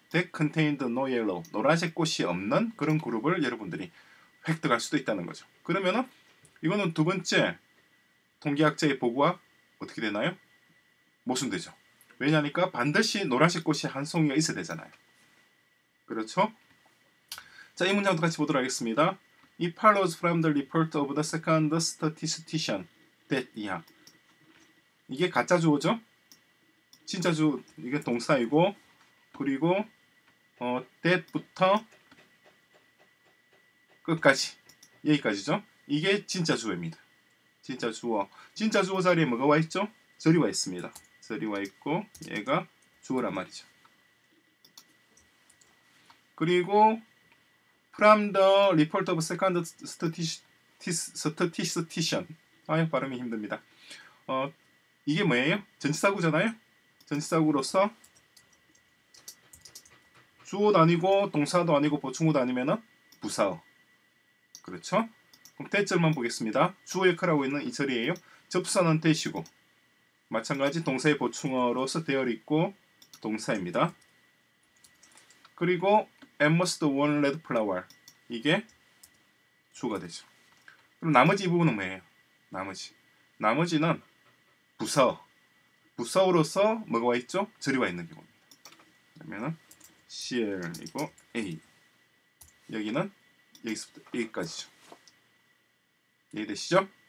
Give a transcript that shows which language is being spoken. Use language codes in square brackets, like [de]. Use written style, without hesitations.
[en] That contained no yellow, [ko] 노란색 꽃이 없는 그런 그룹을 여러분들이 획득할 수도 있다는 거죠. 그러면은 이거는 두 번째 통계학자의 보고와 어떻게 되나요? 모순되죠. 왜냐니까 반드시 노란색 꽃이 한 송이가 있어야 되잖아요. 그렇죠? 자, 이 문장도 같이 보도록 하겠습니다. [en] It follows from the report of the second statistician that 이하. [ko] 이게 가짜 주어죠? 진짜 주 이게 동사이고, 그리고 that부터 끝까지 여기까지죠. 이게 진짜 주어입니다. 진짜 주어. 진짜 주어 자리에 뭐가 와 있죠? 절이 와 있습니다. 절이 와 있고 얘가 주어란 말이죠. [en] 그리고 from the report of second statistician. [ko] 아유, 발음이 힘듭니다. 이게 뭐예요? 전치사구잖아요. 전치사구로서 주어도 아니고 동사도 아니고 보충어도 아니면은 부사어. 그렇죠? 그럼 대절만 보겠습니다. 주어 역할하고 있는 이 절이에요. 접수사는 대시고 마찬가지 동사의 보충어로서 되어 있고 동사입니다. 그리고 [en] at most one red flower [ko] 이게 주어가 되죠. 그럼 나머지 이 부분은 뭐예요? 나머지는 부사어. 부사어로서 뭐가 와 있죠? 절이 와 있는 경우입니다. 그러면은 CL이고 A 여기는 여기서부터 여기까지죠. 이해되시죠?